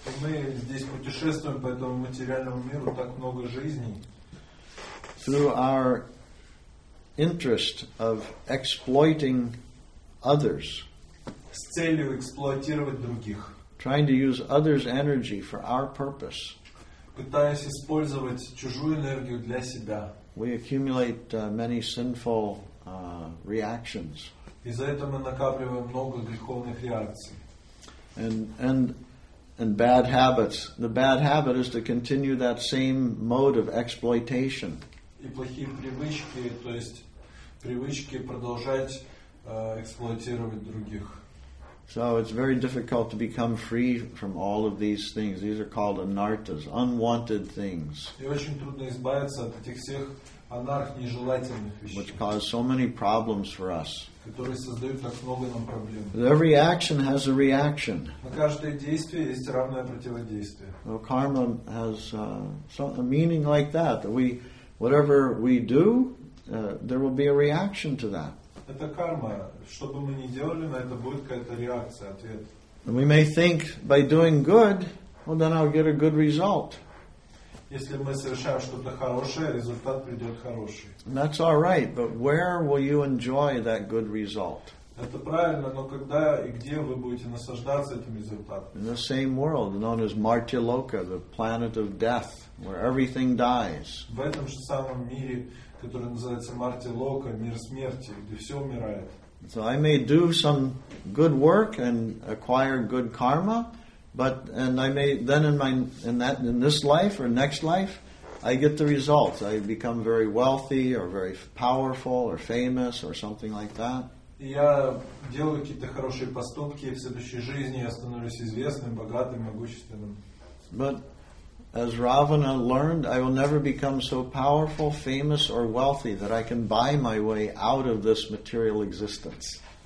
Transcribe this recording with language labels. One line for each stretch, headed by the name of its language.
Russian: Мы здесь путешествуем по этому материальному миру так много жизней.
English: Through our interest of exploiting others.
Russian: С целью эксплуатировать других.
English: Trying to use others' energy for our purpose.
Russian: Пытаясь использовать чужую энергию для себя.
English: We accumulate many sinful reactions.
Russian: Из-за этого мы накапливаем много греховных реакций.
English: And bad habits. The bad habit is to continue that same mode of exploitation.
Russian: И плохие привычки, то есть привычки продолжать эксплуатировать других.
English: So it's very difficult to become free from all of these things. These are called anarthas, unwanted things.
Russian: И очень трудно избавиться от этих всех анарх, нежелательных вещей.
English: Which cause so many problems for us.
Russian: Которые создают так много нам проблем.
English: Every action has a reaction.
Russian: На каждое действие есть равное противодействие.
English: So karma has a meaning like that. That whatever we do, there will be a reaction to that.
Russian: Это карма. Что бы мы ни делали, на это будет какая-то реакция, ответ.
English: And we may think, by doing good, well, then I'll get a good result.
Russian: Если мы совершаем что-то хорошее, результат придет хороший.
English: And that's all right, but where will you enjoy that good result?
Russian: Это правильно, но когда и где вы будете наслаждаться этим результатом?
English: In the same world, known as Martyaloka, the planet of death, where everything dies.
Russian: В этом же самом мире, который называется Мартилока, мир смерти, где все умирает.
English: So I may do some good work and acquire good karma, but and I may then in this life or next life, I get the results. I become very wealthy or very powerful or famous or something like that.
Russian: Я делаю какие-то хорошие поступки, и в следующей жизни я становлюсь известным, богатым, могущественным.
English: But as Ravana learned, I will never become so powerful, famous, or wealthy that I can buy my way out of this material existence.